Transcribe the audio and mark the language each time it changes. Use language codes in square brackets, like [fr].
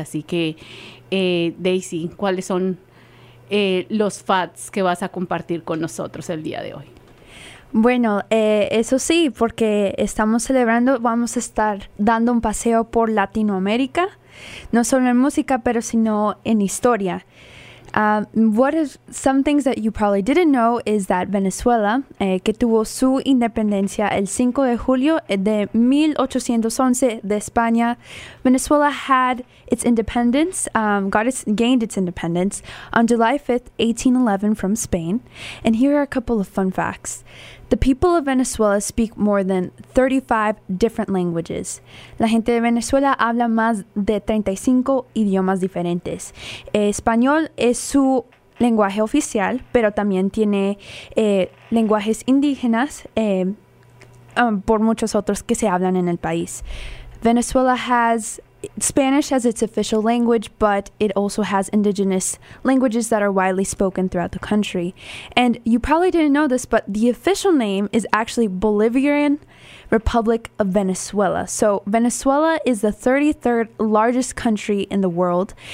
[es] Así que, Daisy, ¿cuáles son los facts que vas a compartir con nosotros el día de hoy? Bueno, eso sí, porque estamos celebrando, vamos a estar dando un paseo por Latinoamérica, no solo en música, pero sino en historia. [en] Some things that you probably didn't know is that Venezuela, [es] que tuvo su independencia el 5 de julio de 1811 de España, [en] Venezuela had its independence, gained its independence on July 5th, 1811 from Spain. And here are a couple of fun facts. The people of Venezuela speak more than 35 different languages. [es] La gente de Venezuela habla más de 35 idiomas diferentes. Español es su lenguaje oficial, pero también tiene lenguajes indígenas por muchos otros que se hablan en el país. [en] Venezuela has Spanish has its official language, but it also has indigenous languages that are widely spoken throughout the country. And you probably didn't know this, but the official name is actually Bolivarian Republic of Venezuela. So Venezuela is the 33rd largest country in the world.